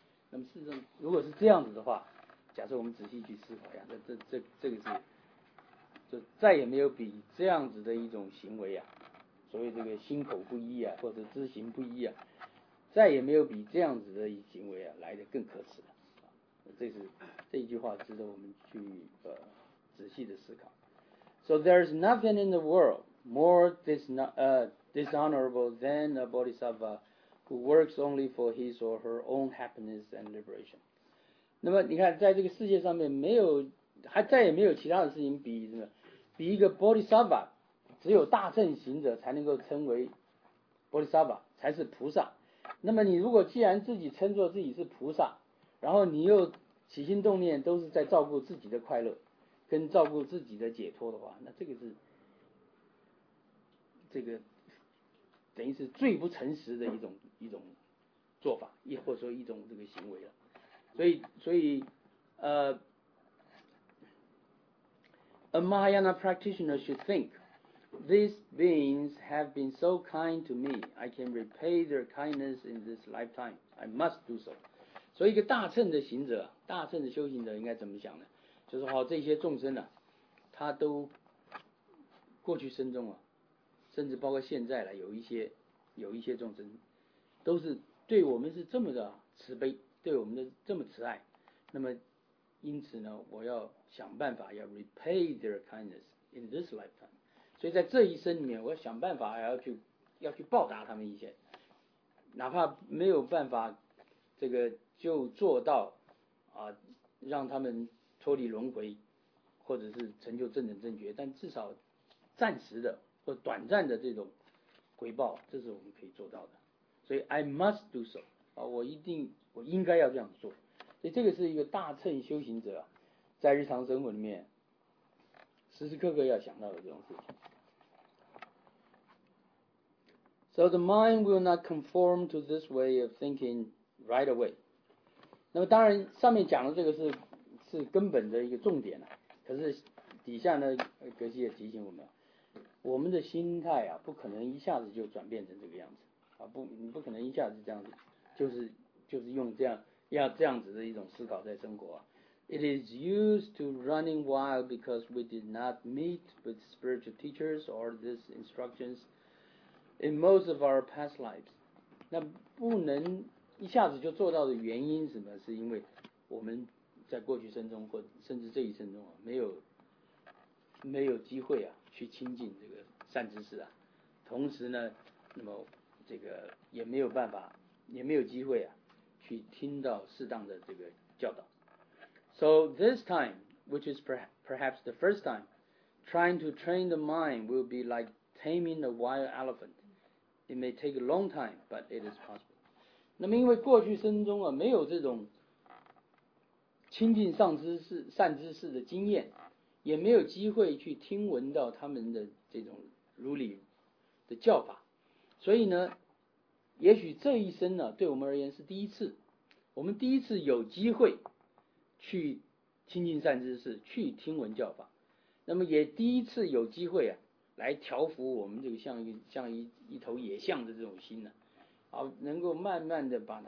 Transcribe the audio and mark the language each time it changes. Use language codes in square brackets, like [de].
[zh] 那么事实上如果是这样子的话，假设我们仔细去思考一下，这个是就再也没有比这样子的一种行为啊，所谓这个心口不一啊，或者知行不一啊，再也没有比这样子的一行为啊来得更可耻了。这一句话值得我们去仔细的思考。 [en] So there is nothing in the worldMore dishonorable than a bodhisattva who works only for his or her own happiness and liberation。 [zh] 那么你看在这个世界上面没有，还再也没有其他的事情比什么，比一个 bodhisattva， 只有大乘行者才能够称为 bodhisattva， 才是菩萨。那么你如果既然自己称作自己是菩萨，然后你又起心动念都是在照顾自己的快乐跟照顾自己的解脱的话，那这个是这个等于是最不诚实的一种做法，亦或者说一种这个行为了。所以 [en] a Mahayana practitioner should think, these beings have been so kind to me, I can repay their kindness in this lifetime, I must do so。 [zh] 所以一个大乘的行者，大乘的修行者应该怎么想呢？就是好，这些众生呢、啊，他都过去生中啊，甚至包括现在了，有一些众生都是对我们是这么的慈悲，对我们的这么慈爱，那么因此呢，我要想办法要 [en] repay their kindness in this lifetime， [zh] 所以在这一生里面，我想办法要去报答他们一些，哪怕没有办法这个就做到啊，让他们脱离轮回，或者是成就正等正觉，但至少暂时的或短暂的这种回报，这是我们可以做到的。所以 [en] I must do so [zh] 啊，我应该要这样做。所以这个是一个大乘修行者在日常生活里面时时刻刻要想到的这种事情。 [en] So the mind will not conform to this way of thinking right away. [zh] 那么当然上面讲的这个是根本的一个重点，可是底下呢格西也提醒我们，我们的心态啊不可能一下子就转变成这个样子啊，不可能一下子这样子，就是用这样要这样子的一种思考在生活啊。 [en] It is used to running wild because we did not meet with spiritual teachers or these instructions in most of our past lives. [zh] 那不能一下子就做到的原因是什么？是因为我们在过去生中或甚至这一生中啊，没有机会啊去亲近这个善知识啊，同时呢，那么这个也没有办法，也没有机会啊去听到适当的这个教导。 [en] So this time, which is perhaps the first time, trying to train the mind will be like taming a wild elephant. It may take a long time, but it is possible. [zh] 那么因为过去生中啊没有这种亲近善知识的经验，也没有机会去听闻到他们的这种如理的教法，所以呢，也许这一生呢对我们而言是第一次，我们第一次有机会去亲近善知识，去听闻教法，那么也第一次有机会啊，来调伏我们这个像一头野象的这种心呢，啊，能够慢慢的